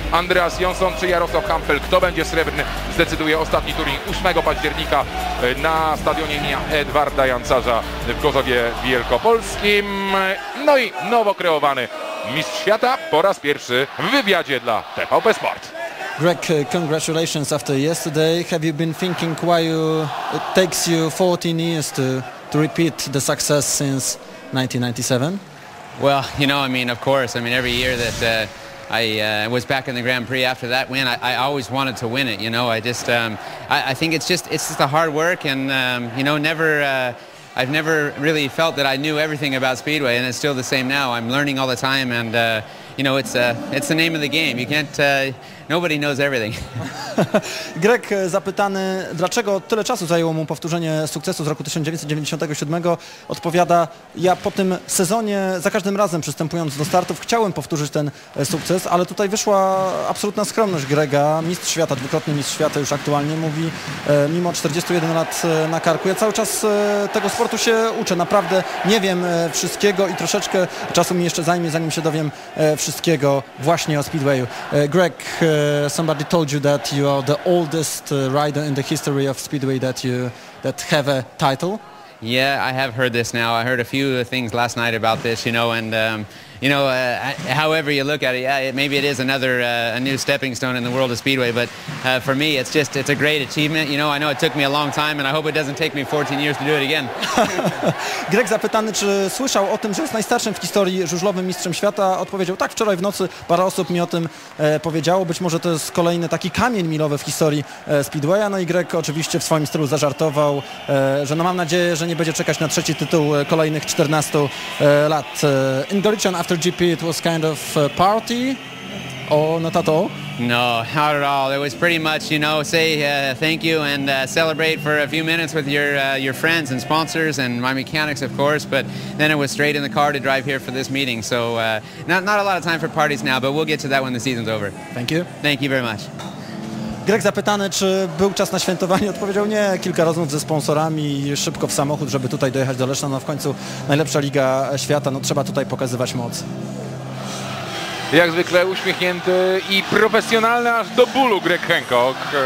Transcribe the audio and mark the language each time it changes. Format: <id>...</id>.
<pl>Andreas Jonsson czy Jarosław Hampel, kto będzie srebrny, zdecyduje ostatni turniej 8 października na stadionie imienia Edwarda Jancarza w Gorzowie Wielkopolskim. No i nowo kreowany mistrz świata po raz pierwszy w wywiadzie dla TVP Sport.</pl> <en>Greg, congratulations after yesterday. Have you been thinking why you, it takes you 14 years to repeat the success since 1997? Well, you know, I mean, of course. I mean, every year that I was back in the Grand Prix after that win, I always wanted to win it, you know. I just, I think it's just the hard work and, you know, never... I've never really felt that I knew everything about Speedway, and it's still the same now. I'm learning all the time, and you know, it's the name of the game. You can't, nobody knows everything.</en> <pl>Greg, zapytany, dlaczego tyle czasu zajęło mu powtórzenie sukcesu z roku 1997, odpowiada, ja po tym sezonie, za każdym razem przystępując do startów, chciałem powtórzyć ten sukces, ale tutaj wyszła absolutna skromność Grega, mistrz świata, dwukrotny mistrz świata już aktualnie, mówi, mimo 41 lat na karku, ja cały czas tego sportu się uczę, naprawdę nie wiem wszystkiego i troszeczkę czasu mi jeszcze zajmie, zanim się dowiem wszystkiego właśnie o Speedwayu.</pl> <en>Greg, somebody told you that you are the oldest rider in the history of Speedway that have a title. Yeah, I have heard this now. I heard a few things last night about this, you know, and you know, however you look at it, yeah, maybe it is another a new stepping stone in the world of Speedway. But for me, it's just, it's a great achievement. You know it took me a long time, and I hope it doesn't take me 14 years to do it again.</en> <pl>Greg zapytany, czy słyszał o tym, że jest najstarszym w historii żużlowym mistrzem świata, odpowiedział, tak, wczoraj w nocy parę osób mi o tym powiedziało. Być może to jest kolejny taki kamień milowy w historii Speedwaya. No i Greg oczywiście w swoim stylu zażartował, że no mam nadzieję, że nie będzie czekać na trzeci tytuł kolejnych 14 lat.</pl> <en>In Galician after GP it was kind of a party. Oh, not at all? No, not at all. It was pretty much, you know, say thank you and celebrate for a few minutes with your friends and sponsors and my mechanics, of course. But then it was straight in the car to drive here for this meeting. So not a lot of time for parties now, but we'll get to that when the season's over. Thank you. Thank you very much.</en> <pl>Greg zapytany, czy był czas na świętowanie, odpowiedział nie. Kilka rozmów ze sponsorami, szybko w samochód, żeby tutaj dojechać do Leszna. No w końcu najlepsza liga świata, no trzeba tutaj pokazywać moc. Jak zwykle uśmiechnięty i profesjonalny aż do bólu Greg Hancock.</pl>